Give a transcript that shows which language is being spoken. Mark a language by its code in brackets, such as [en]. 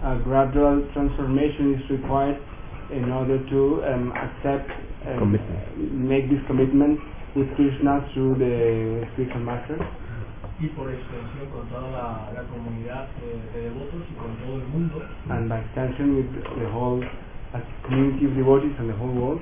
[en] A gradual transformation is required in order to accept and make this commitment with Krishna through the spiritual master. [es] Y por extensión con toda la comunidad de devotos y con todo el mundo. [en] And by extension with the whole community of devotees and the whole world.